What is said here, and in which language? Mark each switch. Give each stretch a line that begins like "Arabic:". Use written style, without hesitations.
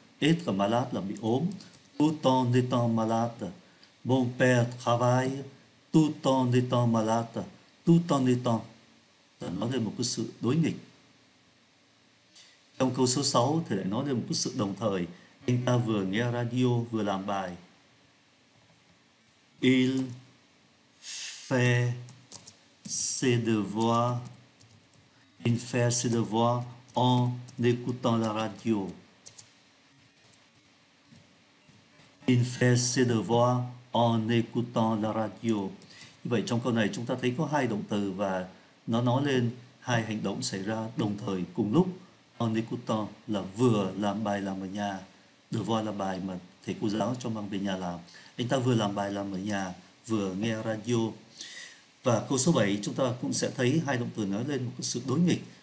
French: Être malade
Vietnamese: là bị ốm.
French: Tout en étant malade. Mon père travaille. Tout en étant malade. Tout en étant.
Vietnamese: Nói lên một cái sự đối nghịch. Trong câu số 6 thì lại nói lên một cái sự đồng thời. Anh ta vừa nghe radio vừa làm bài.
French: Il fait ses devoirs. Il fait ses devoirs en écoutant la radio. Il fait ses devoirs en écoutant la radio.
Vietnamese: Vậy trong câu này chúng ta thấy có hai động từ và nó nói lên hai hành động xảy ra đồng thời cùng lúc.
French: En écoutant
Vietnamese: là vừa làm bài làm ở nhà. Devoir là bài mà thầy cô giáo cho mang về nhà làm. Anh ta vừa làm bài làm ở nhà, vừa nghe radio. Và câu số 7 chúng ta cũng sẽ thấy hai động từ nói lên một sự đối nghịch.